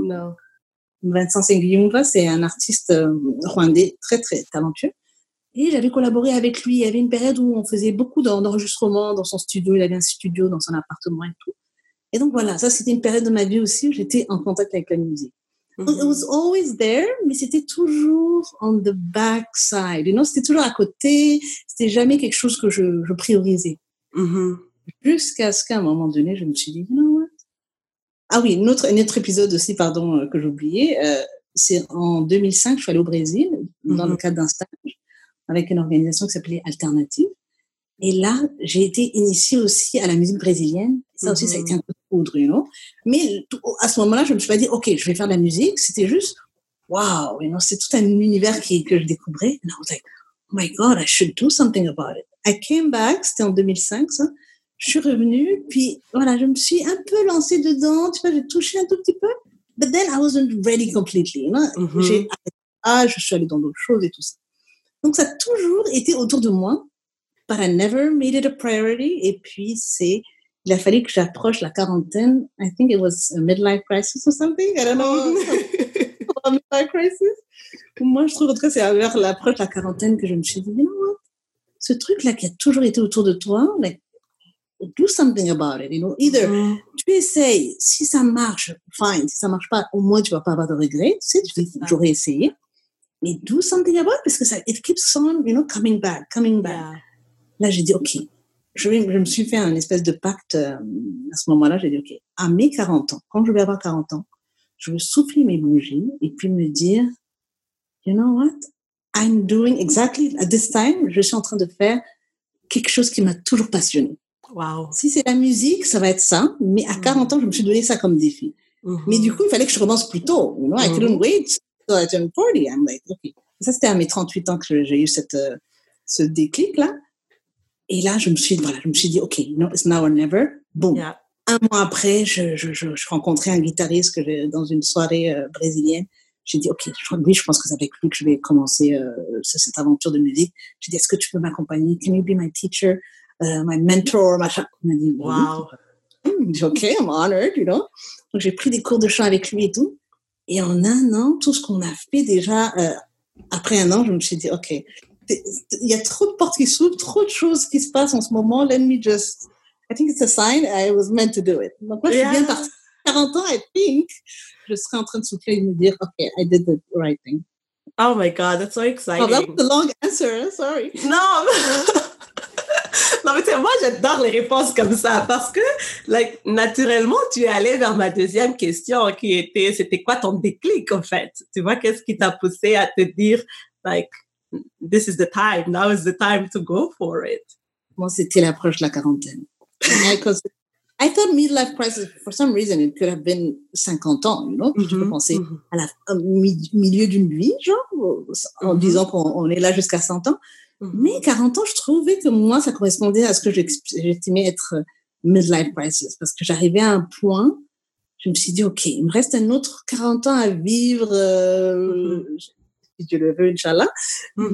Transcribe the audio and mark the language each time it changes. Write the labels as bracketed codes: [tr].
[fr] Non. Vincent Sengiyumva, c'est un artiste rwandais très très talentueux. Et j'avais collaboré avec lui. Il y avait une période où on faisait beaucoup d'enregistrements dans son studio. Il avait un studio dans son appartement et tout. Et donc, voilà. Ça, c'était une période de ma vie aussi où j'étais en contact avec la musique. [en] It was always there, [fr] mais c'était toujours [en] on the backside. [fr] Et non, c'était toujours à côté. C'était jamais quelque chose que je priorisais. Jusqu'à ce qu'à un moment donné, je me suis dit, [en] you know what? [fr] Ah oui, un autre épisode aussi, pardon, que j'ai oublié. C'est en 2005, je suis allée au Brésil dans le cadre d'un stage. Avec une organisation qui s'appelait Alternative. Et là, j'ai été initiée aussi à la musique brésilienne. Ça aussi, ça a été un peu foudre, [en] you know. [fr] Mais à ce moment-là, je ne me suis pas dit, OK, je vais faire de la musique. C'était juste, waouh, [en] you know, [fr] c'est tout un univers que je découvrais. [en] And I was like, oh my God, I should do something about it. I came back, [fr] c'était en 2005, ça. Je suis revenue, puis voilà, je me suis un peu lancée dedans. Tu vois, j'ai touché un tout petit peu. [en] But then, I wasn't ready completely, you know. [fr] J'ai arrêté, je suis allée dans d'autres choses et tout ça. Donc, ça a toujours été autour de moi, [en] but I never made it a priority. [fr] Et puis, il a fallu que j'approche la quarantaine. [en] I think it was a midlife crisis or something. I don't know. A midlife crisis. [fr] Moi, je trouve, en tout cas, c'est vers l'approche de la quarantaine que je me suis dit, [en] you know what? [fr] Ce truc-là qui a toujours été autour de toi, like, [en] do something about it, you know. [fr] Either tu essayes, si ça marche, fine. Si ça marche pas, au moins tu vas pas avoir de regrets. Tu sais, tu dis, j'aurais essayé. Mais [en] do something about it, [fr] parce que ça, [en] it keeps on, you know, coming back, coming back. [fr] Là, j'ai dit, OK. Je me suis fait un espèce de pacte à ce moment-là. J'ai dit, OK, à mes 40 ans, quand je vais avoir 40 ans, je veux souffler mes bougies et puis me dire, [en] you know what? I'm doing exactly, at this time, [fr] je suis en train de faire quelque chose qui m'a toujours passionnée. Wow. Si c'est la musique, ça va être ça. Mais à 40 ans, je me suis donné ça comme défi. Mm-hmm. Mais du coup, il fallait que je commence plus tôt. [en] You know, I couldn't wait till I turn 40. I'm like, OK. [fr] Ça, c'était à mes 38 ans que j'ai eu ce déclic-là. Et là, je me suis dit, OK, [en] no, it's now or never. [fr] Boom. Yeah. Un mois après, je rencontrais un guitariste que j'ai, dans une soirée brésilienne. J'ai dit, OK, je pense que c'est avec lui que je vais commencer cette aventure de musique. J'ai dit, est-ce que tu peux m'accompagner? [en] Can you be my teacher, my mentor, machin? [fr] Il m'a dit, wow. J'ai [en] dit, OK, I'm honored, you know. [fr] Donc, j'ai pris des cours de chant avec lui et tout. Et en un an, tout ce qu'on a fait déjà, après un an, je me suis dit, OK, il y a trop de portes qui s'ouvrent, trop de choses qui se passent en ce moment. [en] Let me just... I think it's a sign. I was meant to do it. [fr] Donc, moi, je suis bien partie. 40 ans, [en] I think, [fr] je serais en train de souffler et me dire, OK, [en] I did the right thing. Oh my God, that's so exciting. Oh, that was a long answer, sorry. [fr] Non, non mais tu sais, moi, j'adore les réponses comme ça parce que, like, naturellement, tu es allée vers ma deuxième question qui était, c'était quoi ton déclic, en fait? Tu vois, qu'est-ce qui t'a poussé à te dire, like, [en] this is the time, now is the time to go for it? [fr] Moi, c'était l'approche de la quarantaine. [en] I thought midlife crisis, for some reason, it could have been [fr] 50 ans, [en] you know? [fr] Mm-hmm, tu peux penser à la milieu d'une vie, genre, en disant qu'on est là jusqu'à 100 ans. Mm-hmm. Mais 40 ans, je trouvais que moi, ça correspondait à ce que j'estimais être midlife crisis. Parce que j'arrivais à un point, je me suis dit, OK, il me reste un autre 40 ans à vivre, si Dieu le veut, Inch'Allah. Mm-hmm.